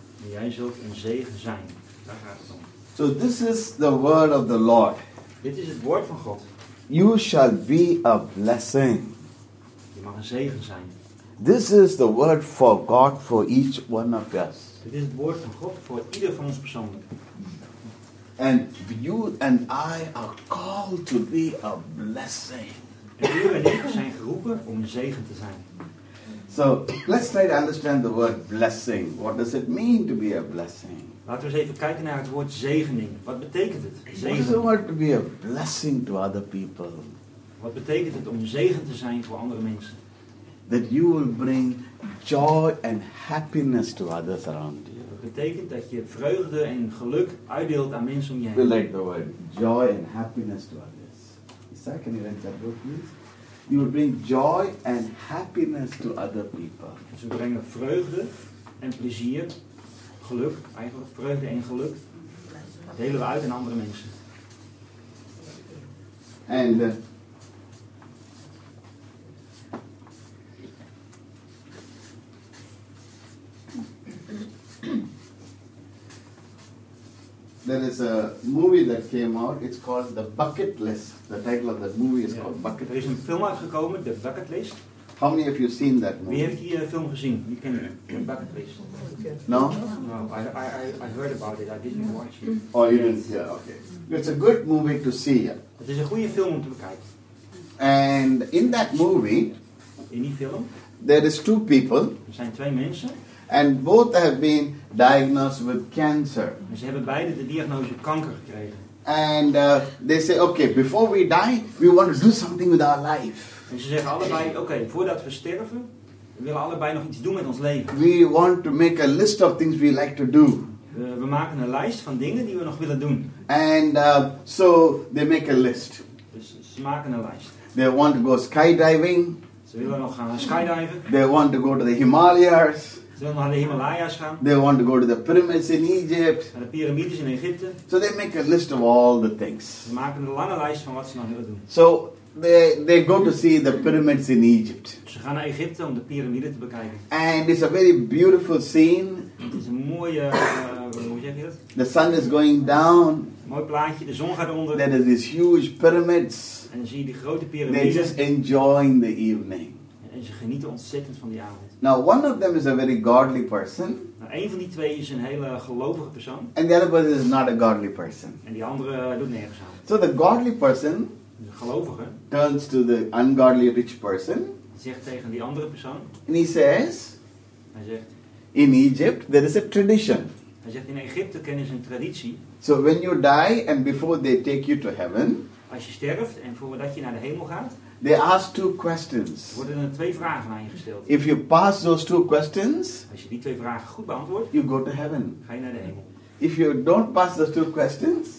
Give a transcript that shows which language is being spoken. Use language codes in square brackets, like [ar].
[nl] Jij zult een zegen zijn. Daar gaat het om. [en] So this is the word of the Lord. [nl] Dit is het woord van God. [en] You shall be a blessing. [nl] Je mag een zegen zijn. [en] This is the word for God for each one of us. [nl] Dit is het woord van God voor ieder van ons persoonlijk. [en] And you and I are called to be a blessing. [nl] En u en ik zijn geroepen om een zegen te zijn. [en] So, let's try to understand the word blessing. What does it mean to be a blessing? [nl] Laten we eens even kijken naar het woord zegening. Wat betekent het? [en] What is the word to be a blessing to other people? [nl] Wat betekent het om zegen te zijn voor andere mensen? [en] That you will bring joy and happiness to others around you. [nl] Dat betekent dat je vreugde en geluk uitdeelt aan mensen om je heen. [en] We like the word joy and happiness to others. Is that, can you write that book, please? You will bring joy and happiness to other people. [nl] Ze brengen vreugde en plezier, geluk, eigenlijk vreugde en geluk, delen we uit aan andere mensen. [en] And there is a movie that came out. It's called The Bucket List. The title of that movie is called Bucket List. [nl] Er is een film uitgekomen, The Bucket List. [en] How many of you seen that movie? [nl] Wie heeft die film gezien? Wie kent The Bucket List? [en] No? No, I heard about it. I didn't watch it. Oh, you didn't? Yeah, okay. It's a good movie to see. [nl] Het is een goede film om te bekijken. [en] And in that movie, [nl] in die film, [en] there is two people. [nl] Er zijn twee mensen. [en] And both have been diagnosed with cancer. [nl] Ze hebben beide de diagnose kanker gekregen. [en] And they say, okay, before we die, we want to do something with our life. [nl] En ze zeggen allebei, okay, voordat we sterven, we willen allebei nog iets doen met ons leven. [en] We want to make a list of things we like to do. [nl] We maken een lijst van dingen die we nog willen doen. [en] And so they make a list. [nl] Dus ze maken een lijst. [en] They want to go skydiving. [nl] Ze willen nog gaan skydiven. [en] They want to go to the Himalayas. [nl] Ze willen naar de Himalaya's gaan. [en] They want to go to the pyramids in Egypt. [nl] Naar de piramides in Egypte. [en] So they make a list of all the things. [nl] Ze maken een lange lijst van wat ze nog willen doen. [en] So they go to see the pyramids in Egypt. [nl] Ze gaan naar Egypte om de piramide te bekijken. [en] And it's a very beautiful scene. [nl] Het is een mooie, hoe moet je dat? [en] The sun is going down. [nl] Een mooi plaatje, de zon gaat onder. [en] There are these huge pyramids. [nl] En dan zie je die grote piramides. [en] They're just enjoying the evening. [nl] En ze genieten ontzettend van die avond. [en] Now one of them is a very godly person. [nl] Nou, een van die twee is een hele gelovige persoon. [en] And the other person is not a godly person. [nl] En die andere doet nergens aan. [en] So the godly person, [nl] de gelovige, [en] turns to the ungodly rich person. [nl] Zegt tegen die andere persoon. [en] And he says, [nl] hij zegt, [en] in Egypt there is a tradition. [nl] Hij zegt, in Egypte kennen ze een traditie. [en] So when you die and before they take you to heaven, [nl] als je sterft en voordat je naar de hemel gaat, [en] they ask two questions. [nl] Worden er twee vragen aan je gesteld. [en] If you pass those two questions, [nl] als je die twee vragen goed beantwoordt, [en] you go to heaven. [nl] Ga je naar de hemel. [en] If you don't pass those two questions,